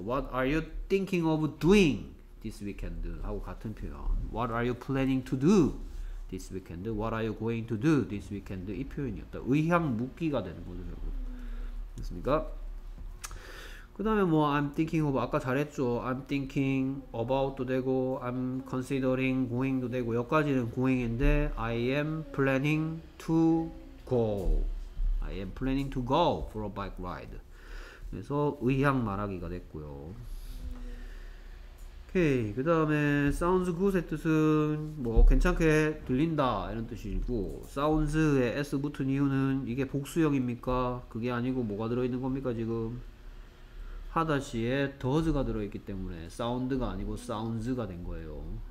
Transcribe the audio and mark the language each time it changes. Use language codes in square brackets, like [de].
[en] What are you thinking of doing this weekend? [ko] 하고 같은 표현. [en] What are you planning to do this weekend? What are you going to do this weekend? [ko] 이 표현이었다. 의향 묻기가 되는 거죠, 결국. 됐습니까? 그 다음에 뭐 [en] I'm thinking of, [ko] 아까 잘했죠. [en] I'm thinking about도 되고 I'm considering going도 되고 [ko] 여기까지는 [en] going인데 I am planning to go. I am planning to go for a bike ride. [ko] 그래서 의향 말하기가 됐고요. 오케이. 그 다음에 [en] sounds good [ko] 의 뜻은 뭐 괜찮게 들린다 이런 뜻이고 sounds에 s 붙은 이유는 이게 복수형입니까? 그게 아니고 뭐가 들어있는 겁니까 지금? 하다시에 does가 들어있기 때문에 sound가 아니고 sounds가 된 거예요.